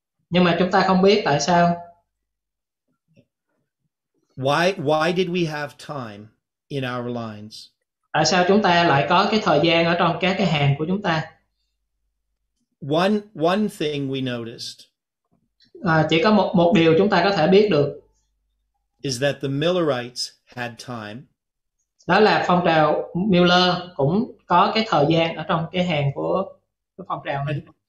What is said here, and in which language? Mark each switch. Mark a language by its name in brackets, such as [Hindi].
[Vietnamese] Nhưng mà chúng ta không biết tại sao. [English] Why did we have time in our lines? [Vietnamese] Tại sao chúng ta lại có cái thời gian ở trong các cái hàng của chúng ta? [English] One thing we noticed. [Vietnamese] Chỉ có một điều chúng ta có thể biết được. [English] Is that the Millerites had time. [Vietnamese] Đó là phong trào Miller cũng có cái thời gian ở trong cái hàng của phong trào này.